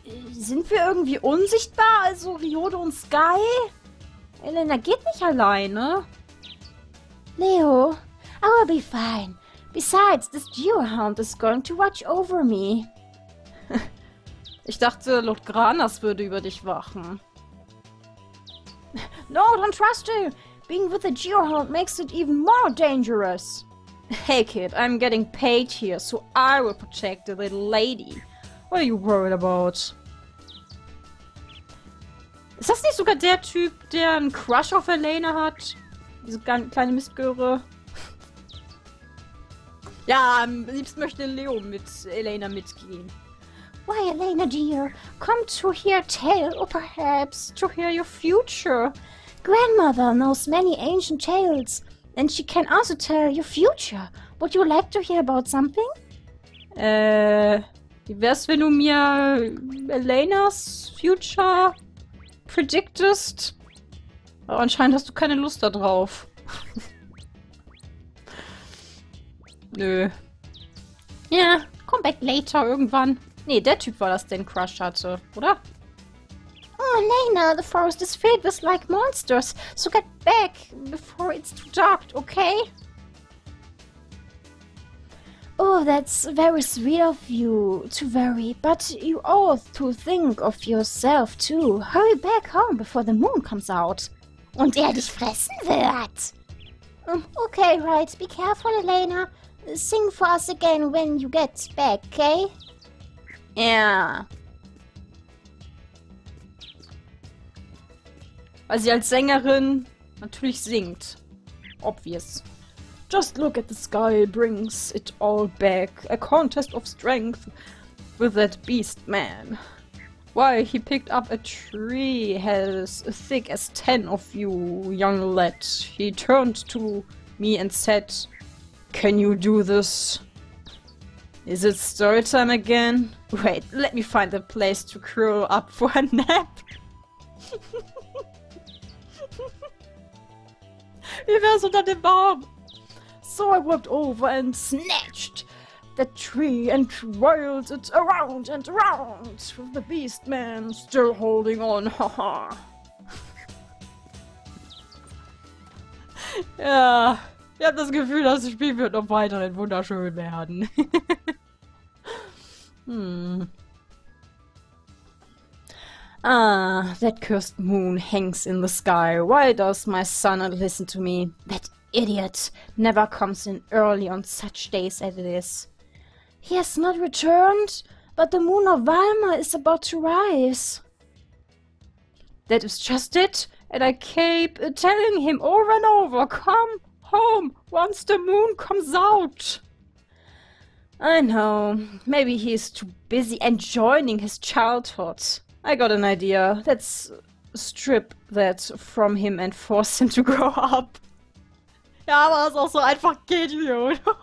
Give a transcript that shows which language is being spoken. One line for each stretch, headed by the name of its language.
German: Sind wir irgendwie unsichtbar? Also Ryodo und Sky? Elena geht nicht alleine. Leo.
English: I will be fine. Besides, this Geohound is going to watch over me.
German: Ich dachte, Lord Granas würde über dich wachen.
English: No, don't trust you. Being with a Geohound makes it even more dangerous. Hey, kid, I'm getting paid here, so I will protect the little lady. What are you worried about?
German: Ist das nicht sogar der Typ, der einen Crush auf Elena hat? Diese kleine Mistgöre. Ja, am liebsten möchte Leo mit Elena mitgehen.
English: Why, Elena, dear, come to hear tale, or perhaps to hear your future. Grandmother knows many ancient tales, and she can also tell your future. Would you like to hear about something?
German: Wie wär's, wenn du mir Elenas Future predictest? Aber anscheinend hast du keine Lust da drauf. Nö.
English: Ja, yeah, come back later, irgendwann.
German: Nee, der Typ war das, den Crush hatte, oder?
English: Oh, Elena, the forest is filled with like monsters, so get back before it's too dark, okay? Oh, that's very sweet of you to worry, but you ought to think of yourself too. Hurry back home before the moon comes out.
German: Und dich fressen wird!
English: Okay, right, be careful, Elena. Sing for us again when you get back, okay? Yeah.
German: Weil sie als Sängerin natürlich singt.
English: Obvious. Just look at the sky brings it all back. A contest of strength with that beast man. Why, he picked up a tree as thick as 10 of you, young lad. He turned to me and said, can you do this? Is it story time again? Wait, let me find a place to curl up for a nap.
German: Wie wär's unter dem Baum?
English: So I whipped over and snatched the tree and twirled it around and around with the beast man still holding on. Haha.
German: Ja, ich hab das Gefühl, das Spiel wird noch weiterhin wunderschön werden.
English: Ah, that cursed moon hangs in the sky. Why does my son not listen to me? That idiot never comes in early on such days as this. He has not returned, but the moon of Valma is about to rise. That is just it, and I keep telling him over and over, come home once the moon comes out. I know. Maybe he is too busy enjoying his childhood. I got an idea. Let's strip that from him and force him to grow up.
German: Ja, aber das ist auch so einfach geht, wie, oder?